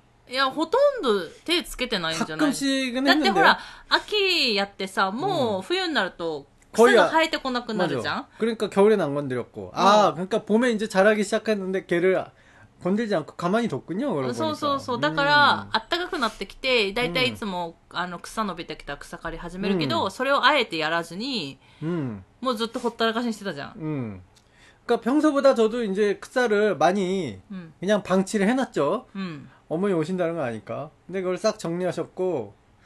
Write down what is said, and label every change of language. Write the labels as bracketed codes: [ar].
[ja] いやほとんど手つけてないんじゃない。 [ko] 가끔씩은 했는데 [ja] だってほら秋やってさもう冬になると [ko] 거의 [ja] 草が 生えて こなくなるじゃん [ko] 그러니까 겨울에 안 건드렸고 아 그러니까 봄에 이제 자라기 시작했는데 걔를 건들지 않고 가만히 뒀군요 [ja] そうそうそう だから 暖かくなってきて 大体 いつも草伸びてきた 草刈り始めるけど それをあえてやらずに もうずっとほったらかしにしてたじゃん [ko] 그러니까 평소보다 저도 이제 草를 많이 그냥 방치를 해놨죠 어머니 오신다는 거 아니까 근데 그걸 싹 정리하셨고